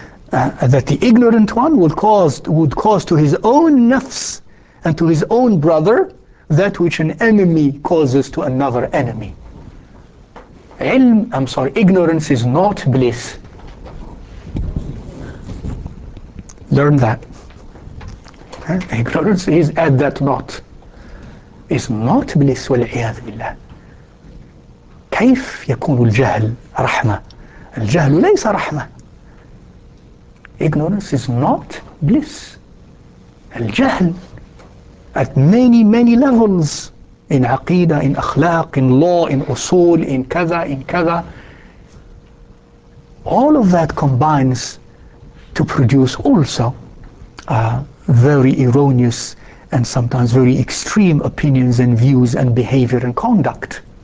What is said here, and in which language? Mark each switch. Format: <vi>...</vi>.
<en>That the ignorant one would cause to his own nafs and to his own brother that which an enemy causes to another enemy. Ignorance is not bliss. Learn that. Ignorance is, add that not. Is not bliss, wal-iyadhu billah.</en> <ar>كيف يكون الجهل رحمة؟ الجهل ليس رحمة.</ar> <en>Ignorance is not bliss. الجهل at many, many levels. In aqeedah, in akhlaq, in law, in usul, in kaza, in kaza. All of that combines to produce also very erroneous and sometimes very extreme opinions and views and behavior and conduct.</en>